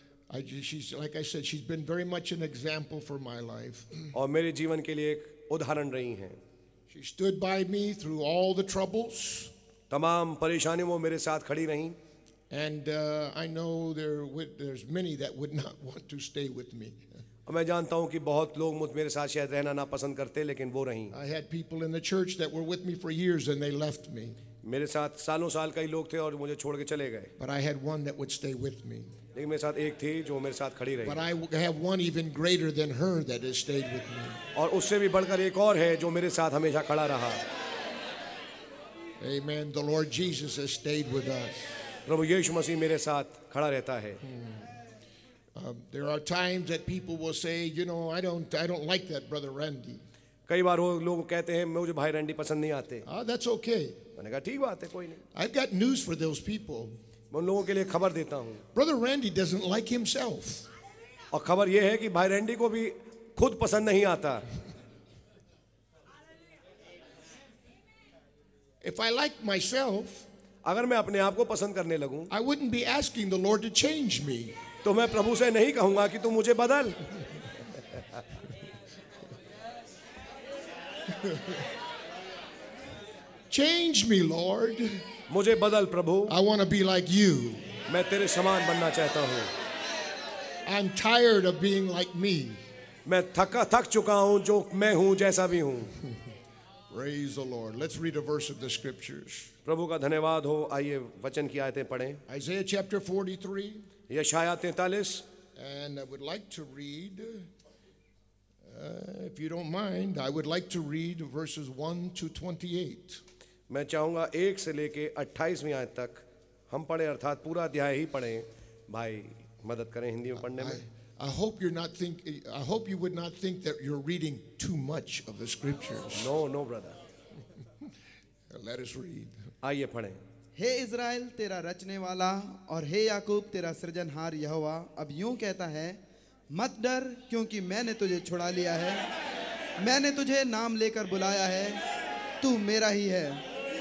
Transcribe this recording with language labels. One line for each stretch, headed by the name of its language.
English: She's like I said, she's been very much an example for my life.
Hindi: और मेरे जीवन के लिए एक उदाहरण रही हैं.
English: She stood by me through all the troubles.
Hindi: तमाम परेशानियों में मेरे साथ खड़ी रहीं.
English: And I know there's many that would not want to stay with me.
Hindi: और मैं जानता हूँ कि बहुत लोग मुझ मेरे साथ शायद रहना ना पसंद करते, लेकिन वो रहीं.
English: I had people in the church that were with me for years and they left me.
Hindi: मेरे साथ सालों साल कई लोग थे और मुझे छोड़ के चले गए.
English: But I had one that would stay with me.
Hindi: लेकिन मेरे साथ एक थी जो मेरे साथ खड़ी रही.
English: But I have one even greater than her that has stayed with me.
Hindi: और उससे भी बढ़कर एक और है जो मेरे साथ हमेशा खड़ा रहा.
English: Amen. The Lord Jesus has stayed with us.
Hindi: प्रभु यीशु मसीह मेरे साथ खड़ा रहता है.
English: There are times that people will say, you know, I don't like that brother Randy.
Hindi: कई बार वो लोग कहते हैं मुझे भाई रैंडी पसंद नहीं आते.
English: That's okay.
Hindi: मैंने कहा ठीक बात है, कोई नहीं.
English: I've got news for those people.
Hindi: मैं उन लोगों के लिए खबर देता हूँ.
English: Brother Randy doesn't like himself.
Hindi: और खबर ये है कि भाई रैंडी को भी खुद पसंद नहीं आता.
English: If I like myself,
Hindi: अगर मैं अपने आप को पसंद करने लगूं,
English: I wouldn't be asking the Lord to change me.
Hindi: तो मैं प्रभु से नहीं कहूंगा कि तू मुझे बदल.
English: Change me, Lord.
Hindi: मुझे बदल प्रभु.
English: I want to be like you.
Hindi: मैं तेरे समान बनना चाहता हूँ.
English: I'm tired of being like me.
Hindi: मैं थक चुका हूँ जो मैं हूँ जैसा भी हूँ.
English: Praise the Lord. Let's read a verse of the scriptures.
Hindi: प्रभु का धन्यवाद हो. आइए वचन की आयतें पढ़ें.
English: Isaiah chapter 43.
Hindi: यशायाह 43.
English: And I would like to read, if you don't mind, I would like to read verses 1 to 28.
Hindi: मैं चाहूँगा एक से लेके 28वीं आयत तक हम पढ़ें, अर्थात पूरा अध्याय ही पढ़ें. भाई मदद करें हिंदी में पढ़ने में.
English: I hope you would not think that you're reading too much of the scriptures. No, brother. Let us read.
Hindi: आइए पढ़ें. हे इज़राइल तेरा रचने वाला और हे याकूब तेरा सृजनहार यहोवा अब यूं कहता है, मत डर क्योंकि मैंने तुझे छुड़ा लिया है, मैंने तुझे नाम लेकर बुलाया है, तू मेरा ही है.